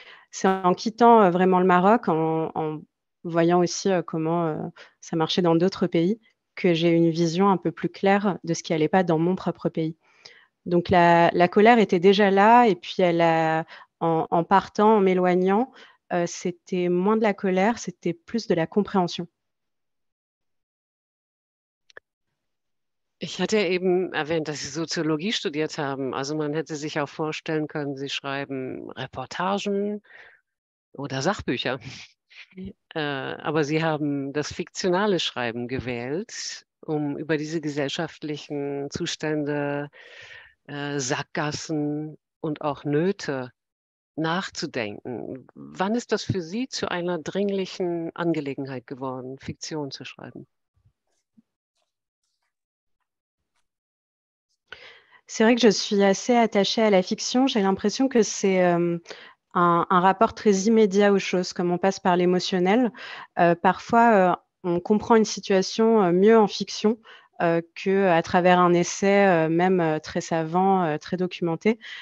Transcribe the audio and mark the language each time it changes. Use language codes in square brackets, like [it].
[fr] C'est en quittant vraiment le Maroc, en voyant aussi comment ça marchait dans d'autres pays, que j'ai une vision un peu plus claire de ce qui n'allait pas dans mon propre pays. Donc la colère était déjà là, et puis elle a, en partant, en m'éloignant, c'était moins de la colère, c'était plus de la compréhension. [de] Ich hatte eben erwähnt, dass Sie Soziologie studiert haben. Also man hätte sich auch vorstellen können, Sie schreiben Reportagen oder Sachbücher. Aber Sie haben das fiktionale Schreiben gewählt, um über diese gesellschaftlichen Zustände, Sackgassen und auch Nöte nachzudenken. Wann ist das für Sie zu einer dringlichen Angelegenheit geworden, Fiktion zu schreiben? [fr] C'est vrai que je suis assez attachée à la fiction. J'ai l'impression que c'est un rapport très immédiat aux choses, comme on passe par l'émotionnel. Parfois, on comprend une situation mieux en fiction qu'à travers un essai, même très savant, très documenté.